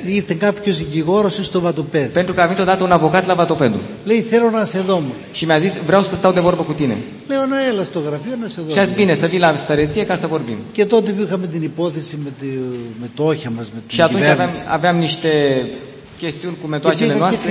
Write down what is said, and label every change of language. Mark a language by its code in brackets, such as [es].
[el] Ήρθε κάποιος δικηγόρος στο Βατοπέδο. [ro] Pentru că a venit odată un avocat la Βατοπέδο. [el] Λέει θέλω να σε δω. [ro] Și mi-a zis vreau să stau de vorbă cu tine. [el] Λέω να έλα στο γραφείο να σε δω. [ro] Și a zis bine să vii la stăreție ca să vorbim. [el] Και τότε είχαμε την υπόθεση με το όχια μας με την. [ro] Și atunci aveam niște chestiuni cu metoacele noastre.